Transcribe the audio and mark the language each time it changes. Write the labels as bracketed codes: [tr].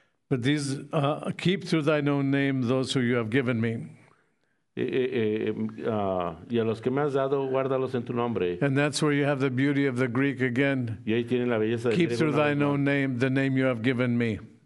[en] But these, keep through thine own name those who you have given me. [es] Y a los que me has dado, guárdalos en tu nombre. [en] And that's where you have the beauty of the Greek again. [es] Y ahí tienen la belleza [en] keep de through thine own name the name you have given me.